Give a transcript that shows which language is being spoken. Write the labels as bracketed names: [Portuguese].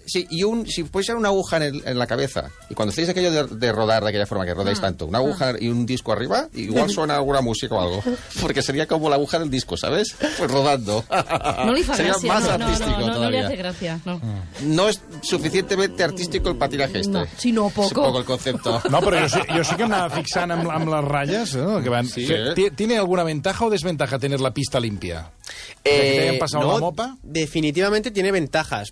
[Spanish] Sí, y si puede ser una aguja en la cabeza. Y cuando hacéis aquello de rodar de aquella forma que rodáis tanto, una aguja y un disco arriba, igual suena alguna música o algo. Porque sería como la aguja del disco, ¿sabes? Pues rodando. No le hace gracia. Sería más artístico todavía. No le hace gracia, no. No es suficientemente artístico el patinaje este. No, sino poco. Es poco el concepto. [Catalan] No, [Spanish] pero yo [Catalan] sí que me anava fixant amb les ratlles, ¿no? Que van. Sí. [Spanish] ¿Tiene alguna ventaja o desventaja tener la pista limpia? No, definitivamente tiene ventajas.